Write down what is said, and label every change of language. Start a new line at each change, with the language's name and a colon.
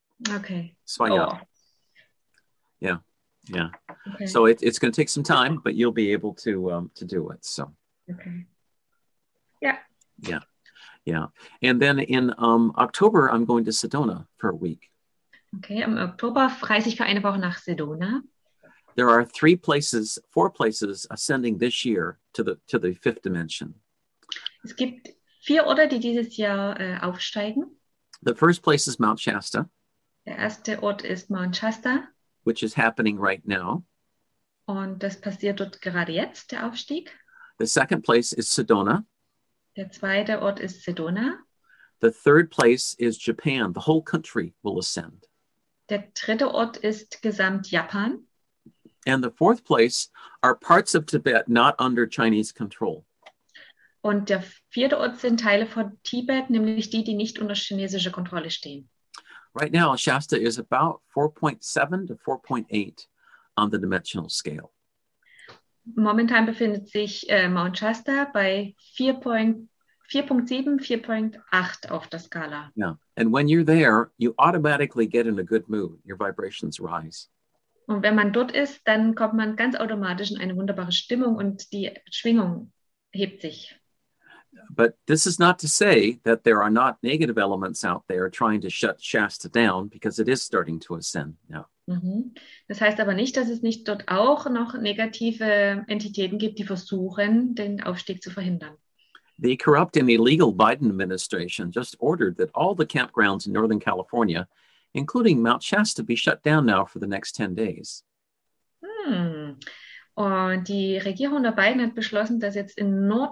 English: Okay. Svayaran. Oh. Yeah. Yeah. Okay. So it's going to take some time, but you'll be able to do it. So. Okay. Yeah. Yeah. Yeah. And then in October, I'm going to Sedona for a week. Okay.
German: Im Oktober reise ich für eine Woche nach Sedona.
English: There are four places ascending this year to the fifth dimension.
German: Es gibt 4 Orte, die dieses Jahr aufsteigen.
English: The first place is Mount Shasta.
German: Der erste Ort ist Mount Shasta.
English: Which is happening right now.
German: Und das passiert dort gerade jetzt, der Aufstieg.
English: The second place is Sedona.
German: Der zweite Ort ist Sedona.
English: The third place is Japan. The whole country will ascend.
German: Der dritte Ort ist gesamt Japan.
English: And the fourth place are parts of Tibet not under Chinese control.
German: Und der vierte Ort sind Teile von Tibet, nämlich die nicht unter chinesischer Kontrolle stehen.
English: Right now, Shasta is about 4.7 to 4.8 on the dimensional scale.
German: Momentan befindet sich Mount Shasta bei 4.7, 4.8 auf der Skala.
English: Yeah, and when you're there, you automatically get in a good mood. Your vibrations rise.
German: Und wenn man dort ist, dann kommt man ganz automatisch in eine wunderbare Stimmung und die Schwingung hebt sich.
English: But this is not to say that there are not negative elements out there trying to shut Shasta down, because it is starting to ascend now.
German: Das heißt aber nicht, dass es nicht dort auch noch negative Entitäten gibt, die versuchen, den Aufstieg zu verhindern.
English: The corrupt and illegal Biden administration just ordered that all the campgrounds in Northern California, including Mount Shasta, be shut down now for the next 10 days.
German: Und die Regierung der Biden hat beschlossen, dass jetzt in